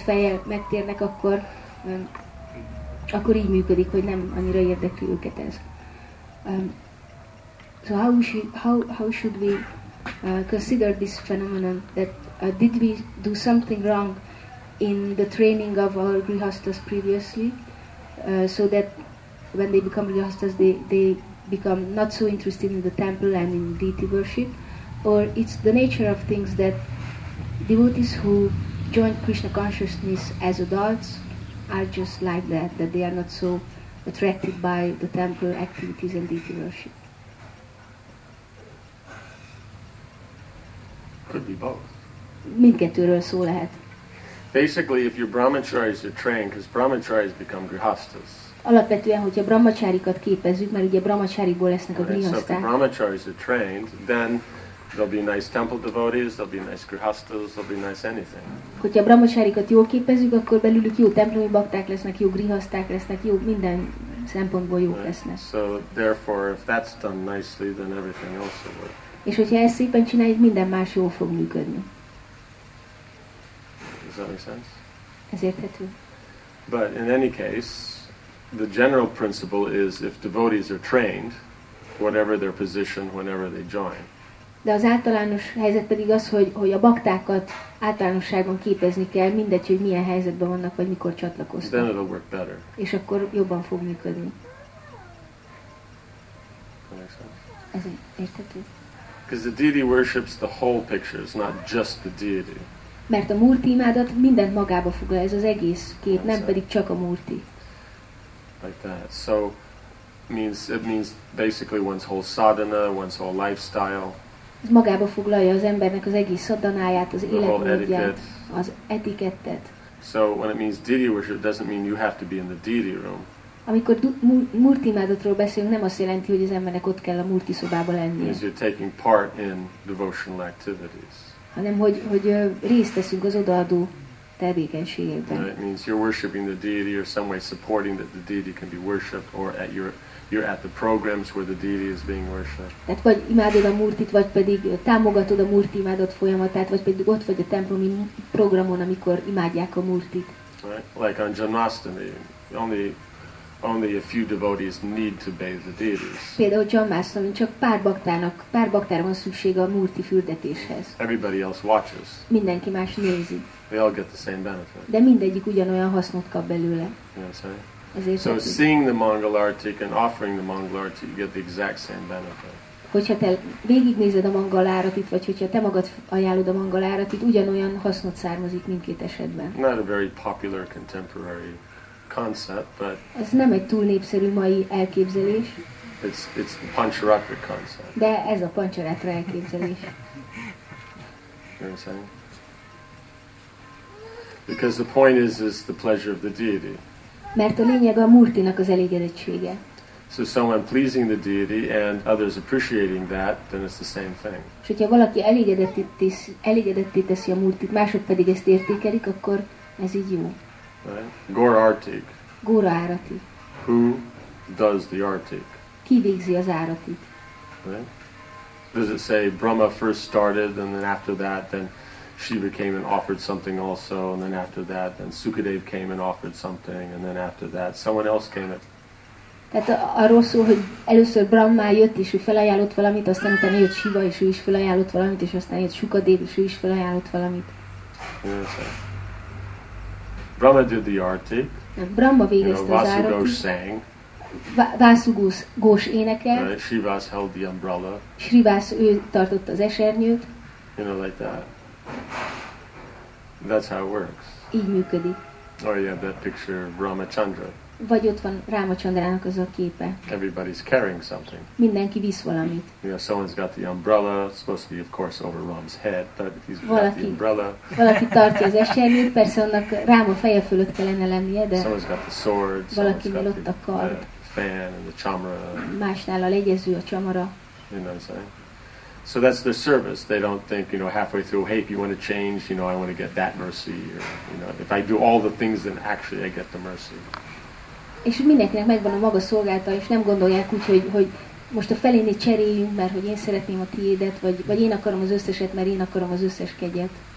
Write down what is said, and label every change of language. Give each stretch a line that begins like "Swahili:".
Hungarian: fejjel megtérnek, akkor, akkor így működik, hogy nem annyira érdekli őket ez.
English: So how should we consider this phenomenon, that did we do something wrong in the training of our grihasthas previously, so that when they become grihasthas, they become not so interested in the temple and in deity worship. Or it's the nature of things that devotees who join Krishna consciousness as adults are just like that, that they are not so attracted by the temple activities and deity worship. Could be both.
Hungarian: Mindkettőről szó lehet.
English: Basically, if your brahmacharis are trained, because brahmacharis become grihasthas.
Hungarian: Alapvetően, hogyha brahmacharikat képezzük, mert ugye brahmacharikból lesznek a grihaszták.
English: So if the brahmacharis are trained, then there'll be nice temple devotees, there'll be nice grihasthas, there'll be nice anything.
Hungarian: Hogyha brahmacharikat jól képezzük, akkor belülük jó templomi bakták lesznek, jó grihaszták lesznek, jó minden szempontból jók lesznek.
English: So therefore, if that's done nicely, then everything else will work.
Hungarian: És hogyha ezt szépen csináljuk, minden más jól fog működni.
English: Does that make sense?
Hungarian: Ez érthető.
English: But in any case, the general principle is if devotees are trained, whatever their position, whenever they join.
Hungarian: De az általános helyzet pedig az, hogy a baktákat általánosságban képezni kell, mindegy, hogy milyen helyzetben vannak, vagy mikor csatlakoztak.
English: Then it'll work better.
Hungarian: És akkor jobban fog működni. Ez érthető.
English: Because the deity worships the whole picture, it's not just the deity.
Hungarian: Mert a murti imádat mindent magába foglal, ez az egész kép, nem pedig csak a murti.
English: Like that. So it means basically one's whole sadhana, one's whole lifestyle.
Hungarian: Ez magába foglalja az embernek az egész szadanáját, az életmódját, az etikettet.
English: So when it means deity worship, it doesn't mean you have to be in the deity room.
Hungarian: Amikor murti imádatról beszélünk, nem azt jelenti, hogy az embernek ott kell a murti szobába lennie.
English: Because you're taking part in devotional activities.
Hungarian: Hanem hogy részt veszünk az odaadó tevékenységében.
English: It means you're worshiping the deity or some way supporting that the deity can be worshipped, or at you're at the programs where the deity is being worshipped.
Hungarian: Tehát vagy imádod a murtit, vagy pedig támogatod a murti imádat folyamatát, vagy pedig ott vagy a templomi programon, amikor imádják a murtit.
English: Right? Like on Janmashtami, only a few devotees need to bathe the deities.
Hungarian: Például Janmashtamin csak pár baktára van szüksége a murti fürdetéshez.
English: Everybody else watches.
Hungarian: Mindenki más nézi.
English: They all get the same benefit.
Hungarian: De mindegyik ugyanolyan hasznot kap belőle.
English: Yes,
Hungarian: ezért
English: so
Hungarian: tetszik.
English: Seeing the Mangalartik and offering the Mangalartik, you get the exact same benefit.
Hungarian: Hogyha te végignézed a Mangalartit, vagy hogyha te magad ajánlod a Mangalartit, ugyanolyan hasznot származik mindkét esetben.
English: Not a very popular contemporary concept, but
Hungarian: ez nem egy túl népszerű mai elképzelés.
English: It's the Pancharatra concept.
Hungarian: De ez a Pancharatra elképzelés.
English: You understand? Because the point is the pleasure of the deity.
Hungarian: Mert a lényeg a murtinak az elégedettsége.
English: So someone pleasing the deity and others appreciating that, then it's the same thing.
Hungarian: És hogyha valaki elégedetté teszi a murtit, mások pedig ezt értékelik, akkor ez így jó.
English: Right? Gaura Artik.
Hungarian: Gaura Arati.
English: Who does the Artik?
Hungarian: Ki végzi az Aratit?
English: Right? Does it say Brahma first started and then after that then Shiva came and offered something also, and then after that then Sukadev came and offered something, and then after that someone else came and... Tehát arról szól, hogy először Brahma jött, és ő felajánlott valamit, aztán utána jött Shiva, és ő is felajánlott valamit, és aztán jött Sukadev, és ő is felajánlott valamit. Yes, Brahma did the artik.
Hungarian: Brahma végezte az
English: artik. Vasugós sang.
Hungarian: Vasugós gós énekel.
English: Shrivas held the umbrella.
Hungarian: Shrivas ő tartott az esernyőt.
English: You know, like that. That's how it works.
Hungarian: Így működik.
English: Or you have that picture of Ramachandra.
Hungarian: Vagy ott van Ramachandrának az a képe.
English: Everybody's carrying something.
Hungarian: Mindenki visz valamit.
English: You know, someone's got the umbrella, supposed to be of course over Ram's head, but he's got the umbrella.
Hungarian: Valaki tartja az esernyőt, persze annak Ráma feje fölött kellene lennie, de
English: someone's got the sword,
Hungarian: valaki
English: got
Hungarian: ott a kard. The
English: fan and the chamara.
Hungarian: Másnál a legyező, a csamara.
English: You know what I'm saying? So that's their service. They don't think, you know, halfway through, hey, if you want to change, you know, I want to get that mercy. Or, you know, if I do all the things, then actually I get the mercy.
Hungarian: És mindenkinek megvan a maga szolgálata, és nem gondolják úgy, hogy most a felén egy cseréljünk, mert hogy én szeretném a tiédet, vagy én akarom az összeset, mert én akarom az összes kegyet.